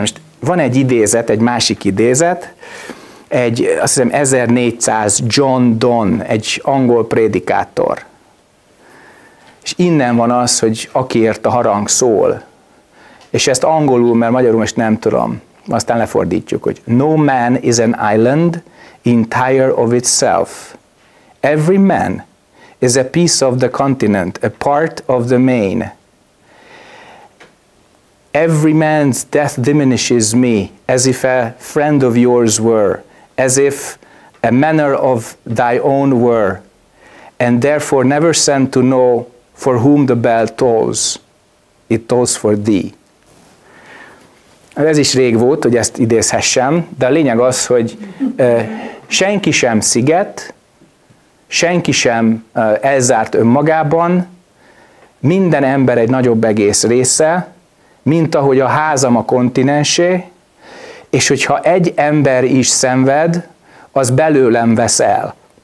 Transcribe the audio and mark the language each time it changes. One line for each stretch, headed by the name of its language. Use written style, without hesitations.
Hungarian: Most van egy idézet, egy másik idézet, egy, azt hiszem 1400 John Donne, egy angol prédikátor. És innen van az, hogy akiért a harang szól, és ezt angolul, mert magyarul most nem tudom, aztán lefordítjuk, hogy
English: no man is an island entire of itself. Every man is a piece of the continent, a part of the main. Every man's death diminishes me, as if a friend of yours were, as if a manner of thy own were, and therefore never send to know for whom the bell tolls. It tolls for thee.
Hungarian: Ez is rég volt, hogy ezt idézhessem, de a lényeg az, hogy senki sem sziget, senki sem elzárt önmagában, minden ember egy nagyobb egész része, mint ahogy a házam a kontinensé, és hogyha egy ember is szenved, az belőlem vesz el.